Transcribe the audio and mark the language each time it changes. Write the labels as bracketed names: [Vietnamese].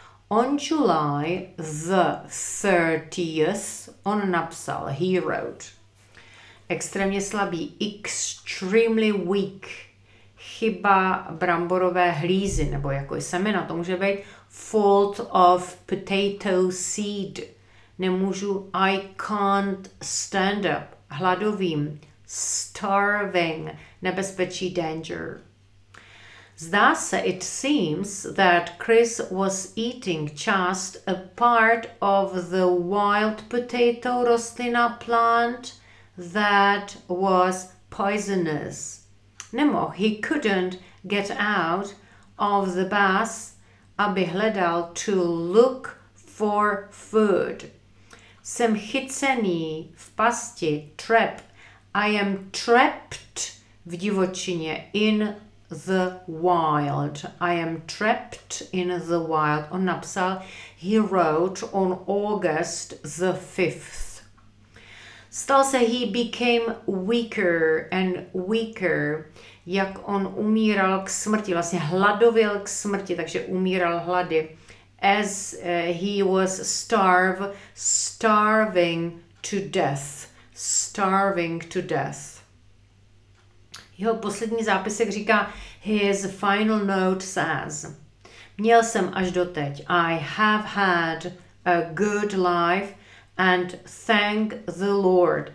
[English] On July the 30th, [Czech] on napsal, [English] he wrote, [Czech] extrémně slabý, [English] extremely weak, [Czech] chyba bramborové hlízy, nebo jako semena, to může být, [English] fault of potato seed, [Czech] nemůžu, [English] I can't stand up, [Czech] hladovým, [English] starving, [Czech] nebezpečí, [English] danger. Thus, it seems that Chris was eating just a part of the wild potato [Czech] rostlina [English] plant that was poisonous. Nemo, he couldn't get out of the bus, [Czech] aby hledal, [English] to look for food. [Czech] Jsem chycený v pasti, [English] trap. I am trapped [Czech] v divočině, [English] in the wild. I am trapped in the wild. [Czech] On napsal, [English] he wrote on August the 5th. [Czech] Stal se, [English] he became weaker and weaker. [Czech] Jak on umíral k smrti, vlastně hladověl k smrti, takže umíral hlady. [English] As he was starving to death. Starving to death. [Czech] Jeho poslední zápisek říká, [English] his final note says, [Czech] měl jsem až doteď, [English] I have had a good life and thank the Lord.